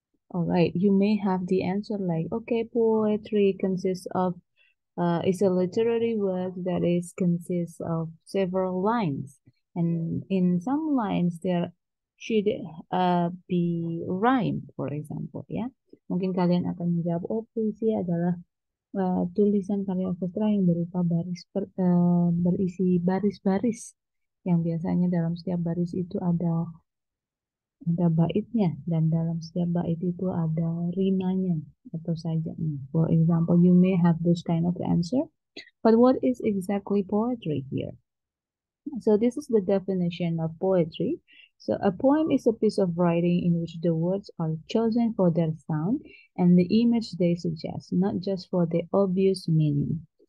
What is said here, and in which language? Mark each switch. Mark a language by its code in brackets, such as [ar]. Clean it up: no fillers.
[en] All right, you may have the answer like, okay, poetry consists of, is a literary work that is consists of several lines. And in some lines there should be rhyme, for example, ya. [id] Mungkin kalian akan menjawab, oh puisi adalah tulisan karya sastra yang berupa baris berisi baris-baris yang biasanya dalam setiap baris itu ada baitnya dan dalam setiap bait itu ada rimanya atau sajaknya. [en] For example, you may have this kind of answer, but what is exactly poetry here? So this is the definition of poetry. So a poem is a piece of writing in which the words are chosen for their sound and the image they suggest, not just for the obvious meaning.